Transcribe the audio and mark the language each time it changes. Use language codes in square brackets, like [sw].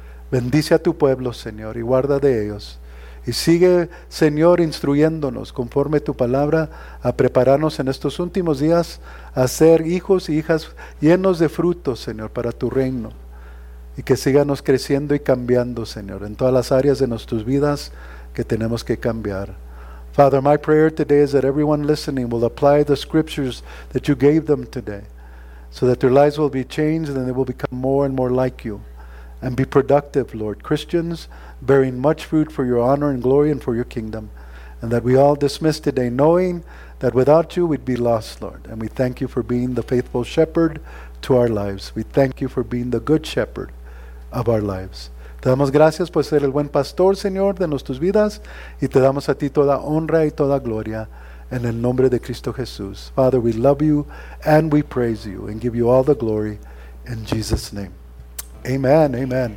[es] Bendice a tu pueblo, Señor, y guarda de ellos. Y sigue, Señor, instruyéndonos conforme tu palabra a prepararnos en estos últimos días a ser hijos y hijas llenos de frutos, Señor, para tu reino. Y que síganos creciendo y cambiando, Señor, en todas las áreas de nuestras vidas que tenemos que cambiar. [en] Father, my prayer today is that everyone listening will apply the scriptures that you gave them today so that their lives will be changed and they will become more and more like you and be productive, Lord. Christians bearing much fruit for your honor and glory and for your kingdom, and that we all dismiss today knowing that without you we'd be lost, Lord. And we thank you for being the faithful shepherd to our lives. We thank you for being the good shepherd of our lives. [es] Te damos gracias por ser el buen pastor, Señor, de nuestras vidas, y te damos a ti toda honra y toda gloria en el nombre de Cristo Jesús. [en] Father, we love you and we praise you and give you all the glory in Jesus' name. Amen, amen.